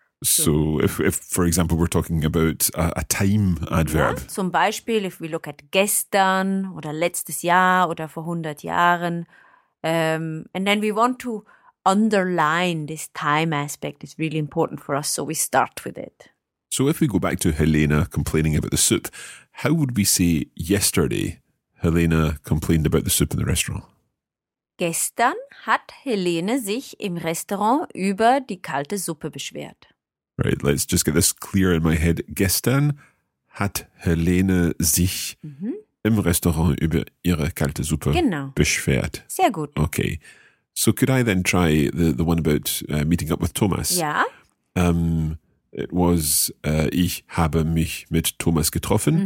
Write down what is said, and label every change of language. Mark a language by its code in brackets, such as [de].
[en] So if for example, we're talking about a time adverb. [de] Ja, zum Beispiel, [en] if we look at [de] gestern oder letztes Jahr oder vor 100 Jahren. [en] And then we want to underline this time aspect. It's really important for us, so we start with it. So if we go back to Helena complaining about the soup, how would we say yesterday Helena complained about the soup in the restaurant? [de] Gestern hat Helene sich im Restaurant über die kalte Suppe beschwert. [en] Right, let's just get this clear in my head. [de] Gestern hat Helene sich im Restaurant über ihre kalte Suppe beschwert. Sehr gut. Okay. [en] So could I then try the one about meeting up with Thomas? [de] Ja. [en] It was, [de] ich habe mich mit Thomas getroffen.